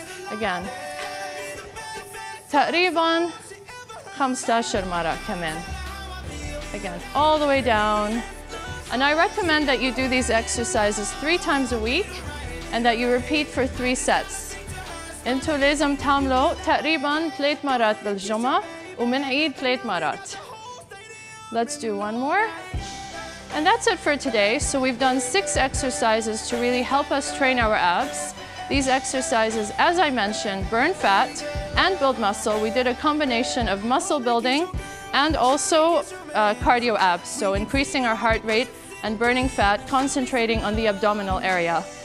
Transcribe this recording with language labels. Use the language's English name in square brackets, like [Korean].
[English] Again. [Arabic] تقريباً 15 مرة كمان. [English] Again, all the way down. And I recommend that you do these exercises 3 times a week and that you repeat for 3 sets. [Arabic] انتو لازم تعملوا تقريبا 3 مرات بالجمعة ومن عيد 3 مرات. [English] Let's do one more. And that's it for today. So we've done 6 exercises to really help us train our abs. These exercises, as I mentioned, burn fat and build muscle. We did a combination of muscle building and also cardio abs, so increasing our heart rate and burning fat, concentrating on the abdominal area.